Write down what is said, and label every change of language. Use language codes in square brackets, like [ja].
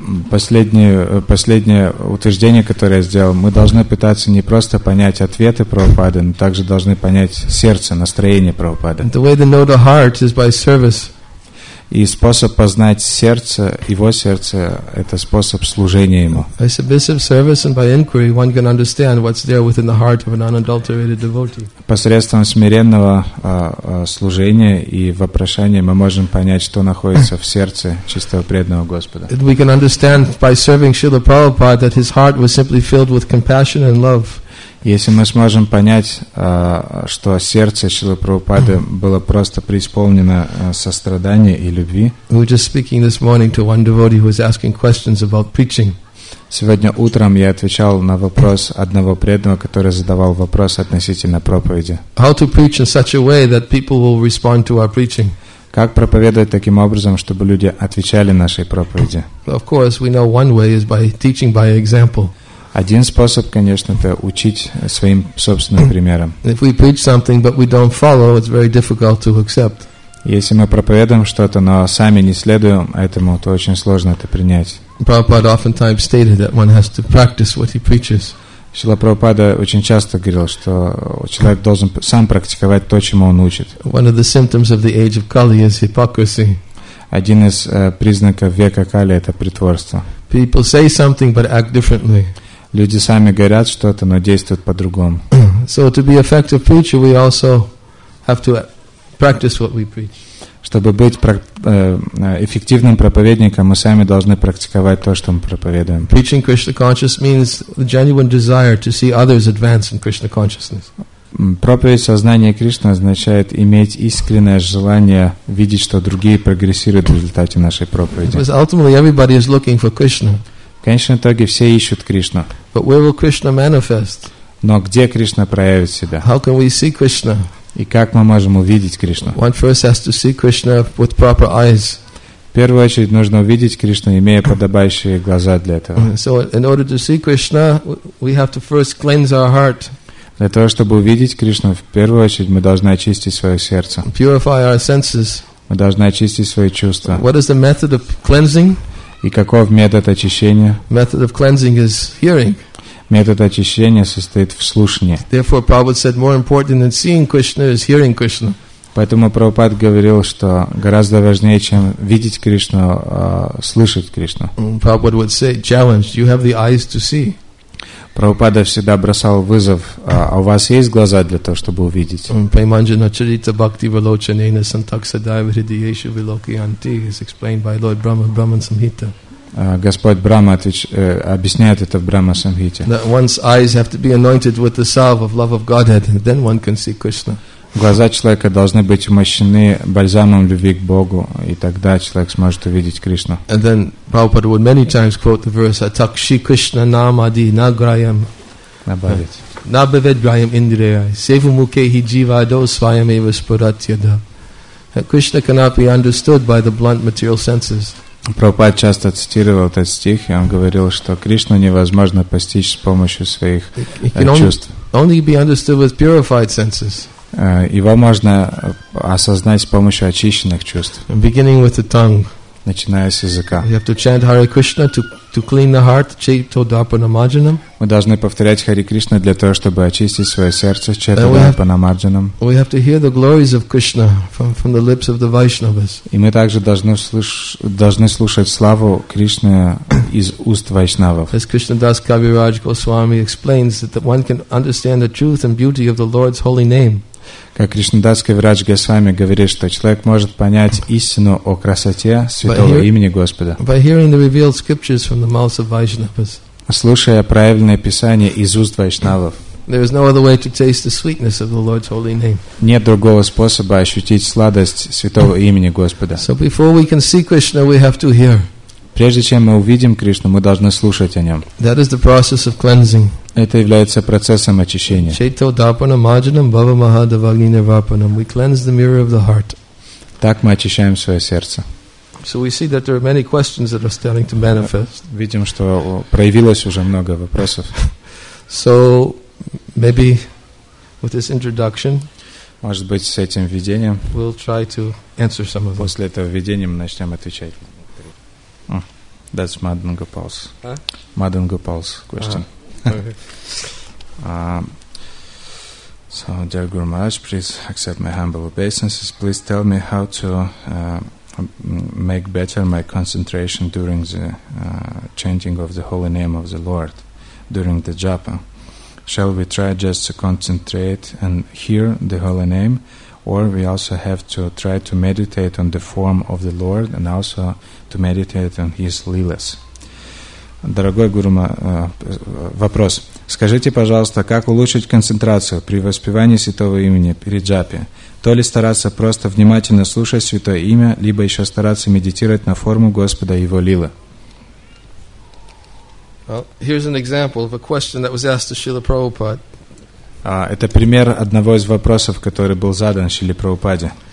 [ru] Последнее утверждение, которое я сделал, мы должны пытаться не просто понять ответы Прабхупады, но также должны понять сердце, настроение Прабхупады. [en] The way to know the heart is by service. [ru] И способ познать сердце, его сердце, это способ служения ему. [en] By submissive service and by inquiry, one can understand what's there within the heart of an unadulterated devotee. [ru] Посредством смиренного служения и вопрошения мы можем понять, что находится в сердце чистого преданного Господа. [en] And we can understand by serving Srila Prabhupada that his heart was simply filled with compassion and love. [ru] Если мы сможем понять, что сердце Шрилы Прабхупады было просто преисполнено сострадания и любви. [en] We were just speaking this morning to one devotee who was asking questions about preaching. [ru] Сегодня утром я отвечал на вопрос одного преданного, который задавал вопрос относительно проповеди. [en] How to preach in such a way that people will respond to our preaching? [ru] Как проповедовать таким образом, чтобы люди отвечали нашей проповеди? [en] Of course, we know one way is by teaching by example. [ru] Один способ, конечно, это учить своим собственным примером. [en] If we preach something, but we don't follow, it's very difficult to accept. [ru] Если мы проповедуем что-то, но сами не следуем этому, то очень сложно это принять. [en] Prabhupada oftentimes stated that one has to practice what he preaches. [ru] Шрила Прабхупада очень часто говорил, что человек должен сам практиковать то, чему он учит. [en] One of the symptoms of the age of Kali is hypocrisy. [ru] Один из признаков века Кали – это притворство. [en] People say something, but act differently. [ru] Люди сами говорят что-то, но действуют по-другому. [en] So to be effective preacher, we also have to practice what we preach. [ru] Чтобы быть эффективным проповедником, мы сами должны практиковать то, что мы проповедуем. [en] Preaching Krishna consciousness means the genuine desire to see others advance in Krishna consciousness. [ru] Проповедь сознания Кришны означает иметь искреннее желание видеть, что другие прогрессируют в результате нашей проповеди. [en] Because ultimately everybody is looking for Krishna. [ru] В конечном итоге все ищут Кришну. [en] But where will Krishna manifest? [ru] Но где Кришна проявит себя? [en] How can we see Krishna? [ru] И как мы можем увидеть Кришну? [en] One first has to see Krishna with proper eyes. [ru] В первую очередь нужно увидеть Кришну, имея подобающие глаза для этого. [en] So in order to see Krishna, we have to first cleanse our heart. [ru] Для того, чтобы увидеть Кришну, в первую очередь мы должны очистить свое сердце. [en] Purify our senses. [ru] Мы должны очистить свои чувства. [en] What is the method of cleansing? [ru] И каков метод очищения? [en] Method of cleansing is hearing. [ru] Метод очищения состоит в слушании. [en] Therefore, Prabhupada said, more important than seeing Krishna is hearing Krishna. [ru] Поэтому Прабхупада говорил, что гораздо важнее, чем видеть Кришну, слышать Кришну. [en] Prabhupada would say, challenge, you have the eyes to see. [ru] Прабхупада всегда бросал вызов, а у вас есть глаза для того, чтобы увидеть? [sa] Преманджана чарита бхакти валочанена сантаксадайва хридиеша вилокианти [en] is explained by Lord Brahma, Brahma Samhita. [ru] Господь Брама объясняет это в Брама Самхите. [en] That one's eyes have to be anointed with the salve of love of Godhead, and then one can see Krishna. [ru] Глаза человека должны быть умощены бальзамом любви к Богу, и тогда человек сможет увидеть Кришну. [en] And then Prabhupada would many times quote the verse [sa] Atakshi Krishna Namadi Nagrayam Nabhavedrayam Indriyai Sevamukehi Jivado Svayam Eva Spuratyada. [en] Krishna cannot be understood by the blunt material senses. [ru] Прабхупад часто цитировал этот стих, и он говорил, что Кришну невозможно постичь с помощью своих чувств. [en] Only be understood with purified senses. [ru] Его можно осознать с помощью очищенных чувств. [en] Beginning with the tongue. [ru] Начиная с языка. [en] You have to chant Hare Krishna to clean the heart, [sa] chaito dharpana marjanam. [ru] Мы должны повторять Хари Кришна для того, чтобы очистить свое сердце, [sa] чаито дарпана марджанам. [en] We have to hear the glories of Krishna from the lips of the Vaishnavas. [ru] И мы также должны слушать славу Кришны из уст Вайшнавов. [en] As Krishna Das Kaviraj Goswami explains that one can understand the truth and beauty of the Lord's holy name. [ru] Как Кришнадас Кавирадж Госвами говорит, что человек может понять истину о красоте святого имени Господа. [en] By hearing the revealed scriptures from the mouth of Vaishnavas. [ru] Слушая правильное писание из уст Вайшнавов. [en] There is no other way to taste the sweetness of the Lord's holy name. [ru] Нет другого способа ощутить сладость святого имени Господа. [en] So before we can see Krishna, we have to hear. [ru] Прежде чем мы увидим Кришну, мы должны слушать о Нем. [en] That is the process of cleansing. [ru] Это является процессом очищения. [sa] Chaito dapana majanam bhava mahadavagni nirvapanam. [en] We cleanse the mirror of the heart. [ru] Так мы очищаем свое сердце. [en] So we see that there are many questions that are starting to manifest. [ru] Видим, что проявилось уже много вопросов. [en] So, maybe with this introduction, [ru] может быть, с этим введением, [en] we'll try to answer some of them. [ru] После этого введения мы начнем отвечать. [en] That's Madan Gopal's. Huh? Madan Gopal's question. Okay. So, dear Guru Maharaj, please accept my humble obeisances. Please tell me how to make better my concentration during the chanting of the holy name of the Lord during the japa. Shall we try just to concentrate and hear the holy name, or we also have to try to meditate on the form of the Lord and also to meditate on His lilas? [ru] Дорогой Гуру, вопрос. Скажите, пожалуйста, как улучшить концентрацию при воспевании святого имени перед джапе? То ли стараться просто внимательно слушать святое имя, либо еще стараться медитировать на форму Господа и его лила? Это пример одного из вопросов, который был задан Шриле Прабхупаде.